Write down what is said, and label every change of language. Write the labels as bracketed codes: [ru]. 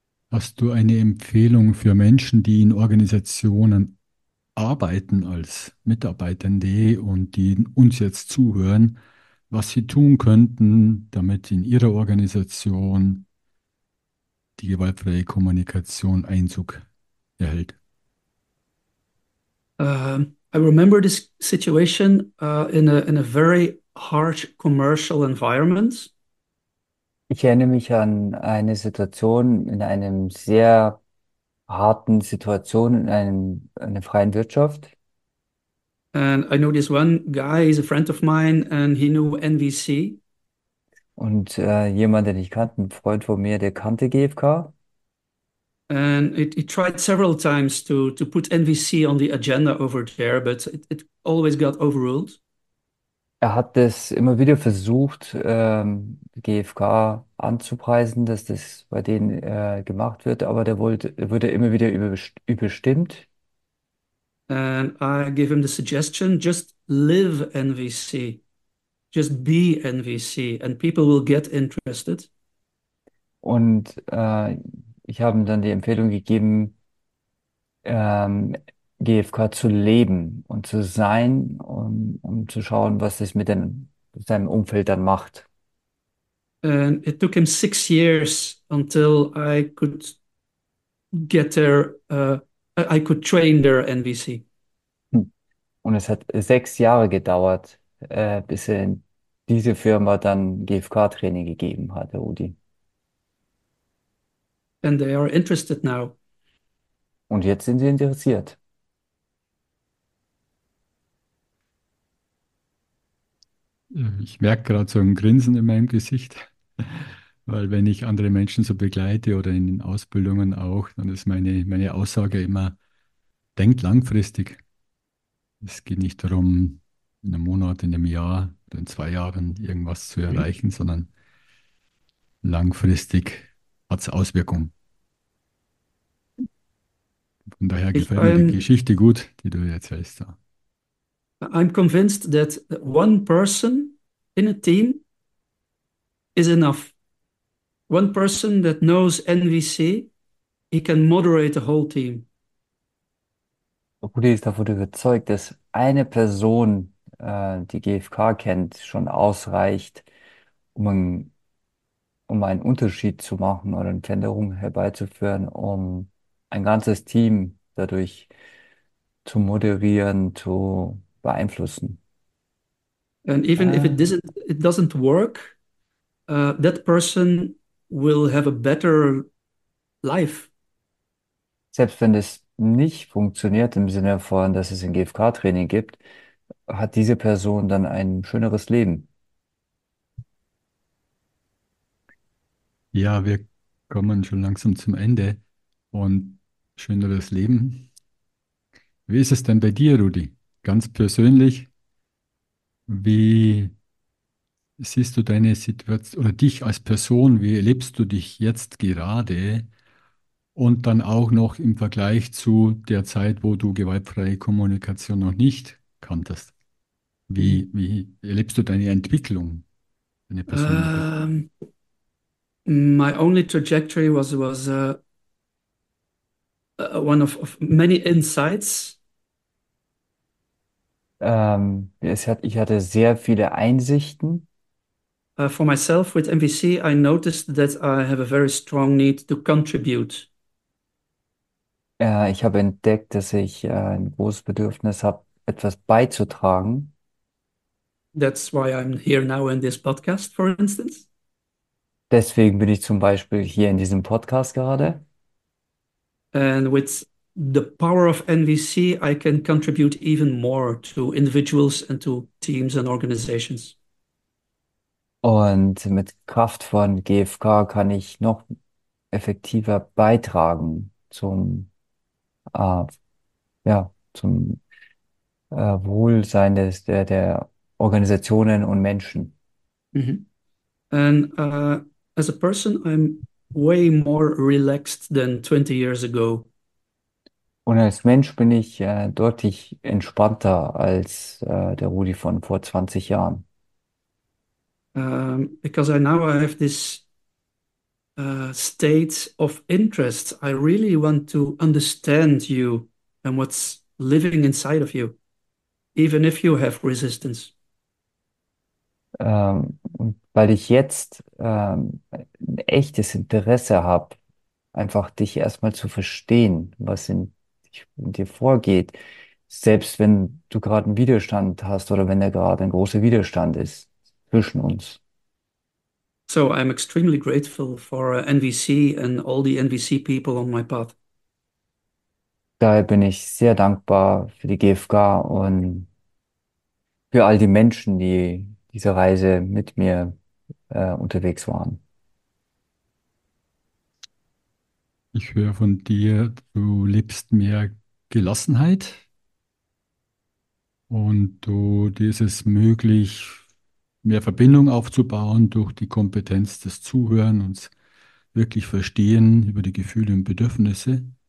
[de] Hast du eine Empfehlung für Menschen, die in Organisationen arbeiten als Mitarbeitende und die uns jetzt zuhören, was sie tun könnten, damit in ihrer Organisation die gewaltfreie Kommunikation Einzug erhält? [en] I remember this situation in a very harsh commercial environment. [de] Ich erinnere mich an eine Situation in einem sehr harten Situation in einer freien Wirtschaft. [en] And I know this one guy is a friend of mine and he knew NVC. [de] Und jemand, den ich kannte, ein Freund von mir, der kannte GfK. [en] And it tried several times to put NVC on the agenda over there, but it always got overruled. [de] Er hat es immer wieder versucht, GfK anzupreisen, dass das bei denen gemacht wird, aber wurde immer wieder überstimmt. [en] And I give him the suggestion, just live NVC, just be NVC, and people will get interested. [de] Und ich habe ihm dann die Empfehlung gegeben, GfK zu leben und zu sein, um zu schauen, was es mit seinem Umfeld dann macht. [en] And it took him 6 years until I could get there, I could train their NVC. [de] Und es hat 6 Jahre gedauert, bis er in diese Firma dann GfK-Training gegeben hat, der Udi. [en] And they are interested now. [de] Und jetzt sind sie interessiert. Ich merke gerade so ein Grinsen in meinem Gesicht, weil wenn ich andere Menschen so begleite oder in den Ausbildungen auch, dann ist meine Aussage immer, denkt langfristig. Es geht nicht darum, in einem Monat, in einem Jahr oder in 2 Jahren irgendwas zu erreichen, sondern langfristig hat es Auswirkungen. Von daher gefällt mir die Geschichte gut, die du erzählst da. [en] I'm convinced that one person in a team is enough. One person that knows NVC, he can moderate the whole team. [de] Rudi ist davon überzeugt, dass eine Person, die GfK kennt, schon ausreicht, um einen Unterschied zu machen oder eine Veränderung herbeizuführen, um ein ganzes Team dadurch zu moderieren, zu beeinflussen. [en] And even if it doesn't work, that person will have a better life. [de] Selbst wenn es nicht funktioniert im Sinne von, dass es ein GfK-Training gibt, hat diese Person dann ein schöneres Leben. Ja, wir kommen schon langsam zum Ende und schöneres Leben. Wie ist es denn bei dir, Rudi? Ganz persönlich, wie siehst du deine Situation oder dich als Person, wie erlebst du dich jetzt gerade? Und dann auch noch im Vergleich zu der Zeit, wo du gewaltfreie Kommunikation noch nicht kanntest. Wie erlebst du deine Entwicklung, deine persönliche? [en] My only trajectory was one of many insights. [de] Ich hatte sehr viele Einsichten. [en] For myself with MVC, I noticed that I have a very strong need to contribute. [de] Ich habe entdeckt, dass ich ein großes Bedürfnis habe, etwas beizutragen. [en] That's why I'm here now in this podcast, for instance. [de] Deswegen bin ich zum Beispiel hier in diesem Podcast gerade. [en] And with the power of NVC, I can contribute even more to individuals and to teams and organizations. [de] Und mit Kraft von GFK kann ich noch effektiver beitragen zum zum Wohlsein der Organisationen und Menschen. [en] And as a person, I'm way more relaxed than 20 years ago. [de] Und als Mensch bin ich deutlich entspannter als der Rudi von vor 20 Jahren. [en] Because I now I have this state of interest. I really want to understand you and what's living inside of you, even if you have resistance. [de] Weil ich jetzt ein echtes Interesse habe, einfach dich erstmal zu verstehen, was in dir vorgeht, selbst wenn du gerade einen Widerstand hast oder wenn da gerade ein großer Widerstand ist zwischen uns. [en] So I'm extremely grateful for NVC and all the NVC people on my path. [de] Daher bin ich sehr dankbar für die GFK und für all die Menschen, die diese Reise mit mir unterwegs waren. Ich höre von dir, du lebst mehr Gelassenheit und du, dir ist es möglich, mehr Verbindung aufzubauen durch die Kompetenz des Zuhören und wirklich Verstehen über die Gefühle und Bedürfnisse.